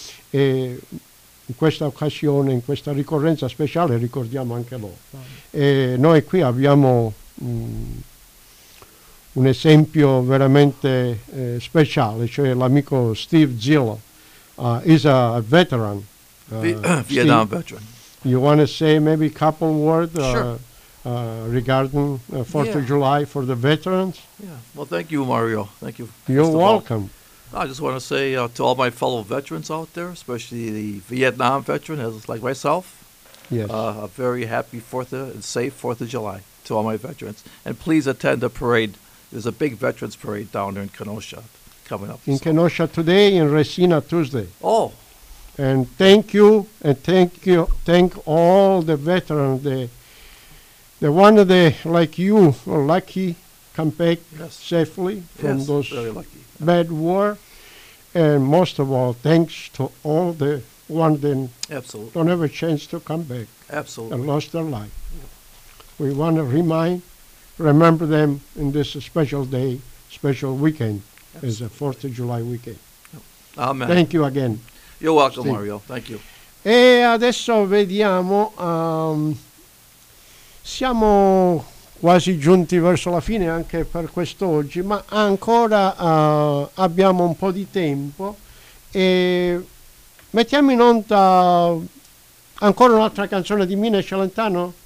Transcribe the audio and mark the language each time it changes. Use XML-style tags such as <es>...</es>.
<it>E in questa occasione, in questa ricorrenza speciale, ricordiamo anche loro. E noi qui abbiamo un esempio veramente speciale, cioè l'amico Steve Zillo,</it> <en>is a veteran. Vietnam veteran. You want to say maybe a couple words regarding 4th of July for the veterans? Yeah. Well, thank you, Mario. Thank you. You're welcome. I just want to say to all my fellow veterans out there, especially the Vietnam veteran, like myself, yes, a very happy 4th and safe 4th of July to all my veterans. And please attend the parade. There's a big veterans parade down there in Kenosha coming up. In Kenosha today, in Resina Tuesday. Oh, And thank you, and thank you, thank all the veterans, the one of the, like you, lucky, come back safely from those bad war. And most of all, thanks to all the ones that don't have a chance to come back. Absolutely. And lost their life. We want to remember them in this special day, special weekend, as the 4th of July weekend. Amen. Thank you again. You're welcome, Steve. Mario. Thank you.</en> <it>E adesso vediamo, siamo quasi giunti verso la fine anche per quest'oggi, ma ancora abbiamo un po' di tempo e mettiamo in onda ancora un'altra canzone di Mina Celentano?</it>